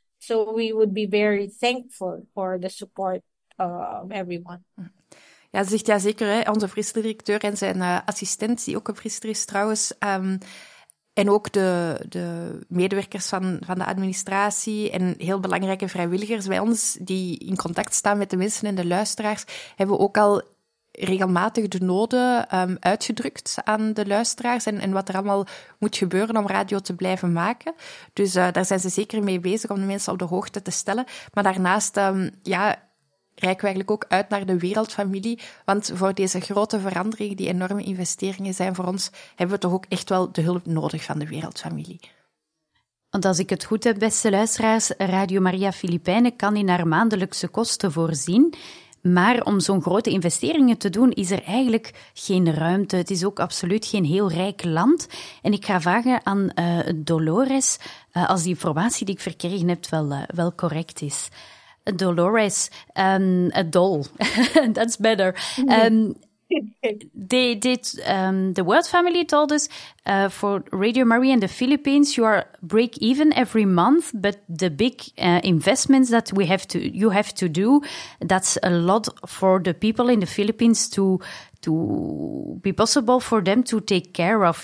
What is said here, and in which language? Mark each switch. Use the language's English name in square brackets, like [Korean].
[English] So we would be very thankful for the support of everyone. [Dutch] Ja, ze zegt ja zeker, hè. Onze Friese directeur en zijn assistent, die ook een Friese is trouwens, en ook de medewerkers van de administratie en heel belangrijke vrijwilligers bij ons, die in contact staan met de mensen en de luisteraars, hebben ook al regelmatig de noden uitgedrukt aan de luisteraars en wat er allemaal moet gebeuren om radio te blijven maken. Dus daar zijn ze zeker mee bezig om de mensen op de hoogte te stellen. Maar daarnaast, reiken we eigenlijk ook uit naar de wereldfamilie, want voor deze grote veranderingen, die enorme investeringen zijn voor ons, hebben we toch ook echt wel de hulp nodig van de wereldfamilie. Want als ik het goed heb, beste luisteraars, Radio Maria Filipijnen kan in haar maandelijkse kosten voorzien, maar om zo'n grote investeringen te doen is er eigenlijk geen ruimte. Het is ook absoluut geen heel rijk land. En ik ga vragen aan Dolores als die informatie die ik verkregen heb wel correct is. [English] Dolores, a doll. That's better. The World Family told us for Radio Maria in the Philippines, you are break even every month, but the big investments that you have to do, that's a lot for the people in the Philippines to be possible for them to take care of.